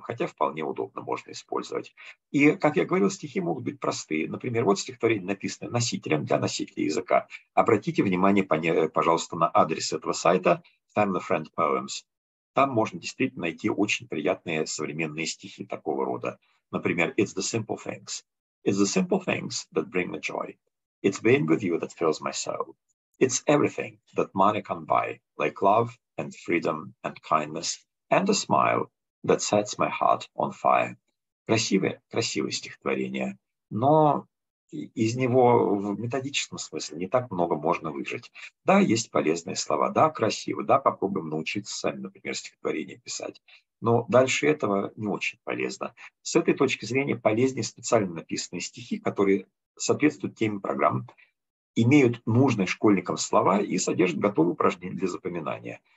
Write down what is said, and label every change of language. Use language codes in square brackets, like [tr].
[ru] Хотя вполне удобно можно использовать. И, как я говорил, стихи могут быть простые. Например, вот стихотворение, написанное носителем для носителя языка. Обратите внимание, пожалуйста, на адрес этого сайта Family Friend Poems. Там можно действительно найти очень приятные современные стихи такого рода. Например, [en] it's the simple things. It's the simple things that bring me joy. It's being with you that fills my soul. It's everything that money can buy, like love and freedom and kindness and a smile that sets my heart on fire. [ru] Красивое, красивое стихотворение, но из него в методическом смысле не так много можно выжать. Да, есть полезные слова, да, красиво, да, попробуем научиться сами, например, стихотворение писать. Но дальше этого не очень полезно. С этой точки зрения полезнее специально написанные стихи, которые соответствуют теме программ, имеют нужные школьникам слова и содержат готовые упражнения для запоминания.